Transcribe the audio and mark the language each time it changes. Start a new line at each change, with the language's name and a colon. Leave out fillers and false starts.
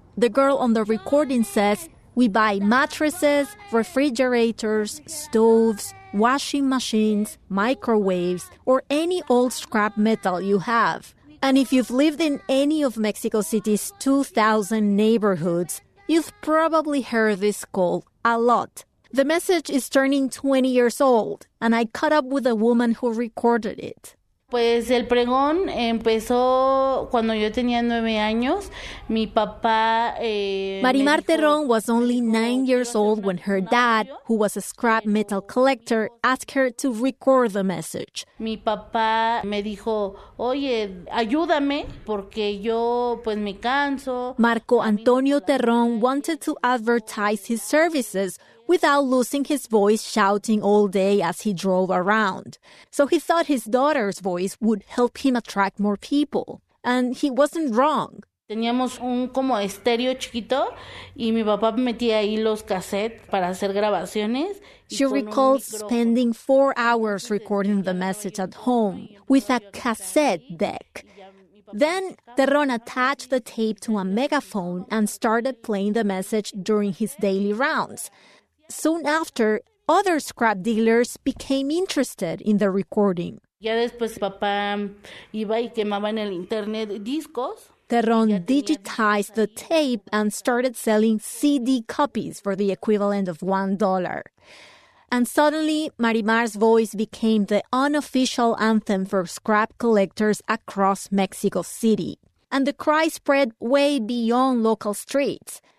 English: The girl on the recording says, "We buy mattresses, refrigerators, stoves, washing machines, microwaves, or any old scrap metal you have." And if you've lived in any of Mexico City's 2,000 neighborhoods, you've probably heard this call a lot. The message is turning 20 years old, and I caught up with a woman who recorded it.
Spanish: Pues el pregón empezó cuando yo tenía 9 años. Mi papá,
English: Marimar Terrón was only 9 years old when her dad, who was a scrap metal collector, asked her to record the message.
Spanish: Mi papá me dijo, "Oye, ayúdame porque yo pues me canso."
English: Marco Antonio Terrón wanted to advertise his services without losing his voice shouting all day as he drove around. So he thought his daughter's voice would help him attract more people. And he wasn't wrong.
Spanish: Teníamos un como estéreo chiquito y mi papá metía ahí los cassettes para hacer grabaciones.
English: She recalls spending 4 hours recording the message at home with a cassette deck. Then Terrón attached the tape to a megaphone and started playing the message during his daily rounds. Soon after, other scrap dealers became interested in the recording.
Spanish: Ya después papá iba y quemaba en el internet discos.
English: Terrón digitized the tape and started selling CD copies for the equivalent of $1. And suddenly, Marimar's voice became the unofficial anthem for scrap collectors across Mexico City. And the cry spread way beyond local streets.